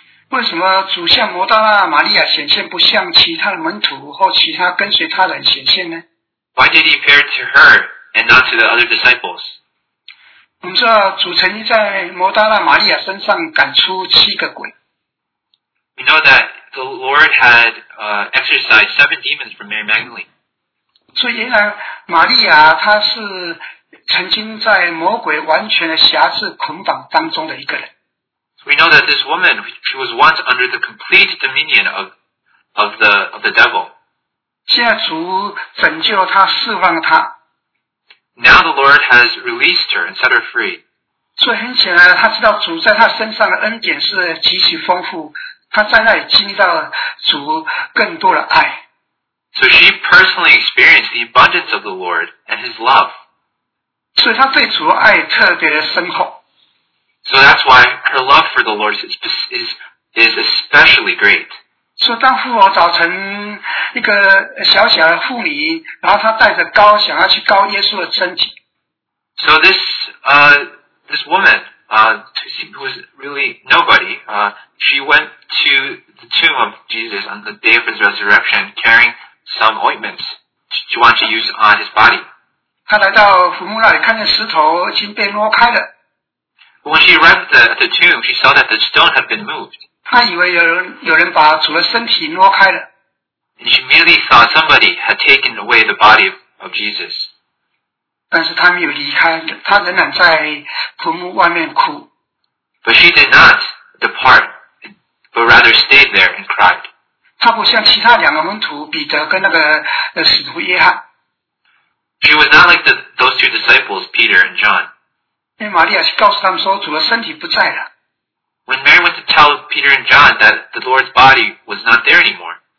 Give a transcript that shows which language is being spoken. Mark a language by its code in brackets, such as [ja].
[zh] 为什么主向摩大拉玛利亚显现，不向其他的门徒或其他跟随他人显现呢？ [en] Why did he appear to her and not to the other disciples? [zh] 我们知道主曾经在摩大拉玛利亚身上赶出七个鬼。 [en] We know that the Lord had exorcised 7 demons from Mary Magdalene. [zh] 所以原来玛利亚她是曾经在魔鬼完全的辖制捆绑当中的一个人。 [en] We know that this woman, she was once under the complete dominion of the devil. [zh] 现在主拯救了她，释放了她。 [en] Now the Lord has released her and set her free. [zh] 所以很显然，她知道主在她身上的恩典是极其丰富，她在那里经历到了主更多的爱。 [en] So she personally experienced the abundance of the Lord and His love. [zh] 所以他对主的爱特别的深厚。 [en] So that's why her love for the Lord is especially great. [zh] 所以当复活早晨，一个小小的妇女，然后她带着膏想要去膏耶稣的身体。 [en] So this woman, who was really nobody, she went to the tomb of Jesus on the day of his resurrection, carrying some ointments she wanted to use on his body. [zh] 他来到坟墓那里，看见石头已经被挪开了。 [en] When she arrived at the tomb, she saw that the stone had been moved. [zh] 他以为有人把主的身体挪开了。 [en] And she merely thought somebody had taken away the body of Jesus. [zh] 但是他没有离开，他仍然在坟墓外面哭。 [en] But she did not depart, but rather stayed there and cried. [zh] 他不像其他两个门徒彼得跟那个使徒约翰。 [en] She was not like those two disciples, Peter and John. [zh] 因为玛利亚告诉他们说主的身体不在了。 [en] When Mary went to tell Peter and John that the Lord's body was not there anymore.